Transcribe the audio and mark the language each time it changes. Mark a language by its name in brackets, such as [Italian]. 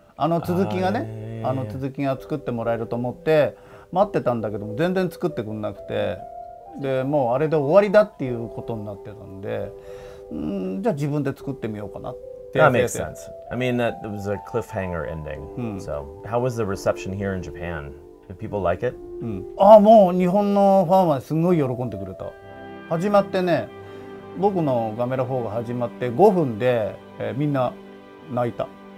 [Japanese] あの続きがね、あの続きが作ってもらえると思って待ってたんだけども、全然作ってくれなくて、でもうあれで終わりだっていうことになってたんで、じゃあ自分で作ってみようかなって。 [English] That makes sense. I mean, that was a cliffhanger ending. So, how was the reception here in Japan? Did people like it? [Japanese] もう日本のファンはすごい喜んでくれた。始まってね、僕のガメラ4が始まって5分で、みんな泣いた。